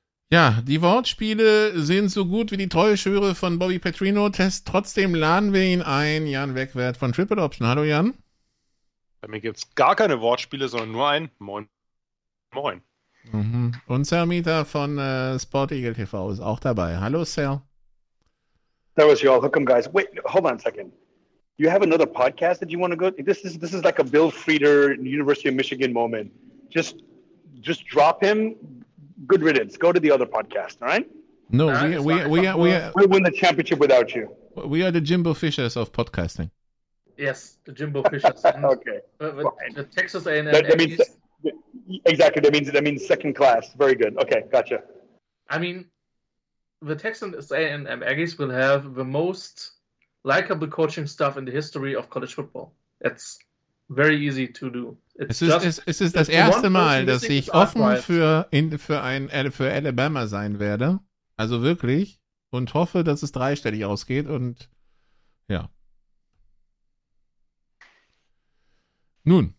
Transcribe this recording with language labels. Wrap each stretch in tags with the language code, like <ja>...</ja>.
<de>Ja, die Wortspiele sind so gut wie die Treueschwüre von Bobby Petrino. Test. Trotzdem laden wir ihn ein. Jan Wegwerth von Triple Option. Hallo Jan. Bei mir gibt es gar keine Wortspiele, sondern nur ein Moin. Moin. Mhm. Und Sir Mieter von Sport Eagle TV ist auch dabei. Hallo Sir.</de> <en>Servus, y'all. Welcome, guys. Wait, hold on a second. You have another podcast that you want to go? This is like a Bill Frieder, University of Michigan moment. Just drop him. Good riddance. Go to the other podcast, all right? No, all right, we win the championship without you. We are the Jimbo Fishers of podcasting. Yes, the Jimbo Fishers. Okay. The Texas A&M. That means second class. Very good. Okay, gotcha. I mean, the Texas A&M Aggies will have the most likable coaching staff in the history of college football. That's very easy to do.</en> <de>Es ist das erste Mal, dass ich offen für Alabama sein werde. Also wirklich. Und hoffe, dass es dreistellig ausgeht. Und ja. Nun.</de>